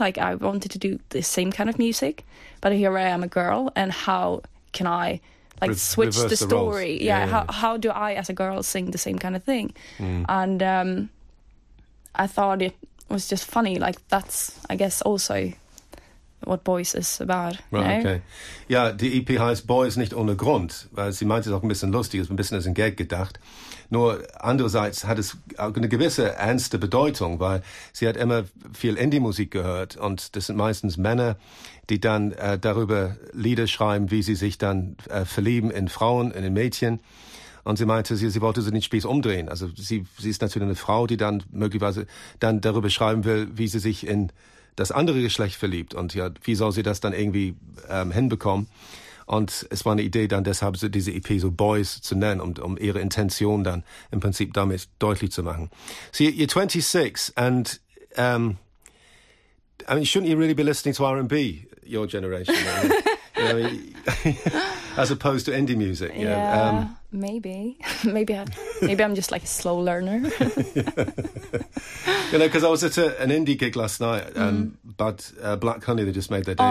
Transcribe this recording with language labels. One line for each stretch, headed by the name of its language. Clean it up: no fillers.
English: Like I wanted to do the same kind of music, but here I am, a girl, and how can I like switch the story? Roles. Yeah. How do I as a girl sing the same kind of thing? Mm. And I thought it was just funny. Like that's, I guess, also what Boys is about. Right, you know? Okay.
German: Ja, die EP heißt Boys nicht ohne Grund, weil sie meinte es auch ein bisschen lustig, ist ein bisschen als ein Gag gedacht. Nur andererseits hat es auch eine gewisse ernste Bedeutung, weil sie hat immer viel Indie-Musik gehört und das sind meistens Männer, die dann darüber Lieder schreiben, wie sie sich dann verlieben in Frauen, in den Mädchen. Und sie meinte, sie wollte sie nicht spieß umdrehen. Also sie ist natürlich eine Frau, die dann möglicherweise dann darüber schreiben will, wie sie sich in das andere Geschlecht verliebt und ja, wie soll sie das dann irgendwie hinbekommen? Und es war eine Idee dann deshalb, so diese EP so Boys zu nennen, um ihre Intention dann im Prinzip damit deutlich zu machen.
English: So you're 26 and I mean, shouldn't you really be listening to R&B, your generation? I mean, you know, as opposed to indie music. Yeah, you know? Maybe I'm just like a slow learner. You know, because I was at an indie gig last night, but Black Honey, they just made their debut.